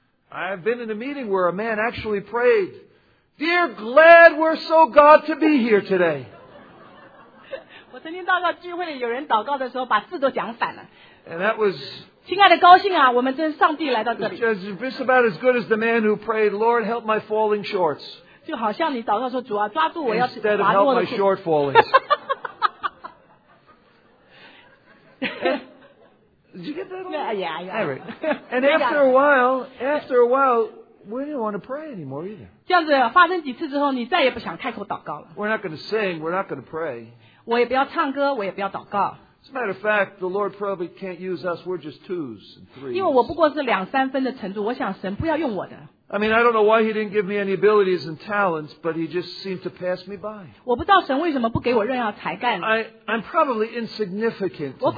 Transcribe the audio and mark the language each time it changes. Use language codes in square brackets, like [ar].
[en] I've been in a meeting where a man actually prayed, dear, glad we're so God to be here today. [zh] 我曾经祷告聚会里有人祷告的时候把字都讲反了。 [en] And that was, [zh] 亲爱的高兴啊, 我们真上帝来到这里。 [en] It's about as good as the man who prayed, Lord, help my falling shorts. [zh] 就好像你祷告说, 主啊, 抓住我要, [en] instead of help my short fallings. Did you get that one? Yeah. All right. And after a while, we didn't want to pray anymore either. [zh] 这样子发生几次之后, [en] we're not going to sing, we're not going to pray. [zh] 我也不要唱歌, [en] as a matter of fact, the Lord probably can't use us, we're just twos and threes. [zh] 因为我不过是两三分的程度, 我想神不要用我的。 [en] I mean, I don't know why he didn't give me any abilities and talents, but he just seemed to pass me by. I'm probably insignificant.